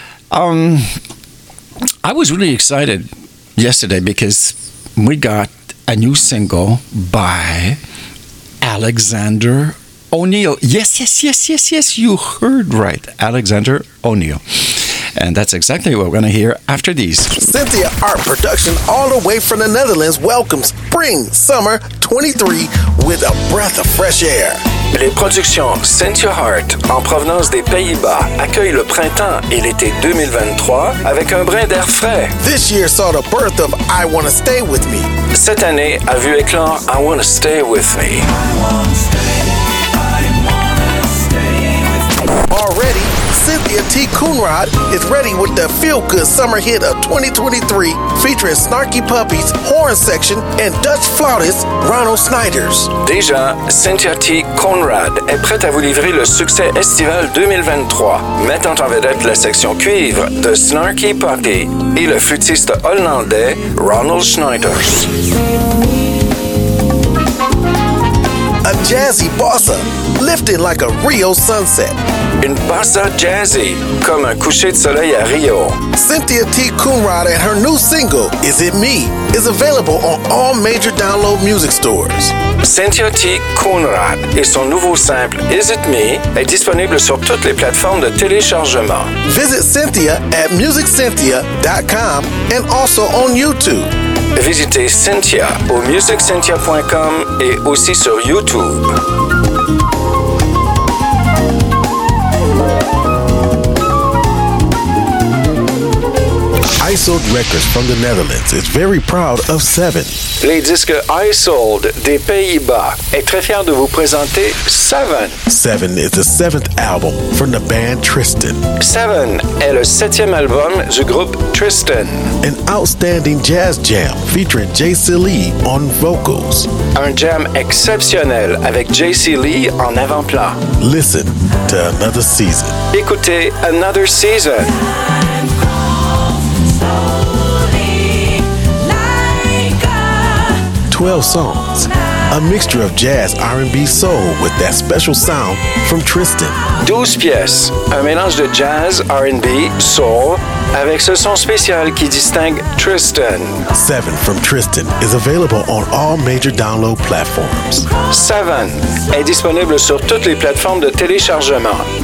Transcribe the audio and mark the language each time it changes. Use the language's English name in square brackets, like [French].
[English] I was really excited yesterday because we got a new single by Alexander O'Neill. Yes, yes, yes, yes, yes. You heard right. Alexander O'Neill. And that's exactly what we're going to hear after these. Cynthia Art Production, all the way from the Netherlands, welcomes Spring Summer 23 with a breath of fresh air. [French] Les productions Cynthia Art, en provenance des Pays-Bas, accueillent le printemps et l'été 2023 avec un brin d'air frais. [English] This year saw the birth of I Wanna Stay With Me. [French] Cette année a vu éclore I Wanna Stay With Me. [English] Already, Cynthia T. Coonrod is ready with the feel-good summer hit of 2023 featuring Snarky Puppies, Horn Section, and Dutch flautist Ronald Snyders. [French] Déjà, Cynthia T. Coonrod est prête à vous livrer le succès estival 2023, mettant en vedette la section cuivre de Snarky Puppy et le flûtiste hollandais Ronald Snyders. [English] A jazzy bossa, lifting like a Rio sunset. [French] Une bossa jazzy, comme un coucher de soleil à Rio. [English] Cynthia T. Coonrod and her new single, Is It Me?, is available on all major download music stores. Cynthia T. [French] Coonrod et son nouveau simple, Is It Me?, est disponible sur toutes les plateformes de téléchargement. [English] Visit Cynthia at musiccynthia.com and also on YouTube. [French] Visitez Cynthia au musiccynthia.com et aussi sur YouTube. [English] iSold Records from the Netherlands is very proud of 7. [French] Les disques iSold des Pays-Bas est très fier de vous présenter 7. [English] 7 is the 7th album from the band Tristan. [French] 7 est le 7e album du groupe Tristan. [English] An outstanding jazz jam featuring J.C. Lee on vocals. [French] Un jam exceptionnel avec J.C. Lee en avant-plan. [English] Listen to Another Season. [French] Écoutez Another Season. [English] Slowly, like a 12 songs. Night. A mixture of jazz, R&B, soul with that special sound from Tristan. [French] 12 pièces, un mélange de jazz, R&B, soul, avec ce son spécial qui distingue Tristan. [English] 7 from Tristan is available on all major download platforms. [French] 7 est disponible sur toutes les plateformes de téléchargement.